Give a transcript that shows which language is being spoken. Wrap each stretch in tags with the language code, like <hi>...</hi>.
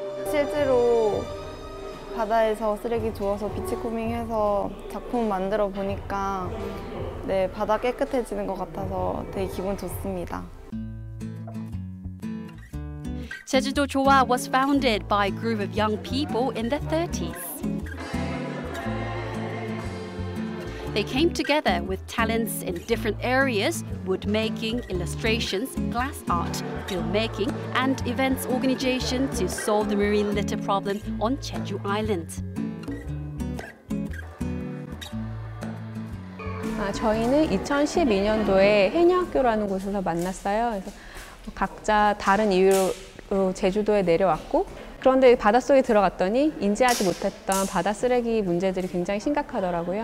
<ko>실제로 바다에서 쓰레기 주워서 비치코밍해서 작품 만들어 보니까 네, 바다 깨끗해지는 것 같아서 되게 기분 좋습니다.</ko> <en>제주도 조화 was founded by a group of young people in their 30s. They came together with talents in different areas, wood making, illustrations, glass art, filmmaking, and events organization to solve the marine litter problem on Jeju Island.</en> <ko>아, 저희는 2012년도에 해녀학교라는 곳에서 만났어요. 그래서 각자 다른 이유로 제주도에 내려왔고 그런데 바닷속에 들어갔더니 인지하지 못했던 바다 쓰레기 문제들이 굉장히 심각하더라고요.</ko>